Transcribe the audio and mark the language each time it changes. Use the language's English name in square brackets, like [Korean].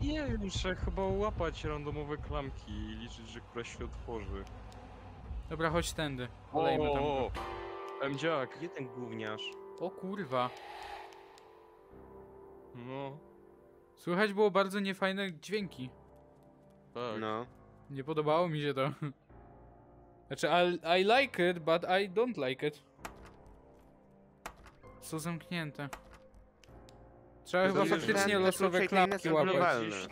[Polish] No nie wiem, muszę chyba łapać randomowe klamki i liczyć, że któraś się otworzy. Dobra, chodź tędy. Olejmy tam. O, Mdziak. Gdzie ten gówniarz? O kurwa. No. Słychać było bardzo niefajne dźwięki. Tak. No. Nie podobało mi się to. Znaczy, [English] I like it, but I don't like it. [Polish] Co zamknięte. Trzeba chyba faktycznie losowe klapki łapać.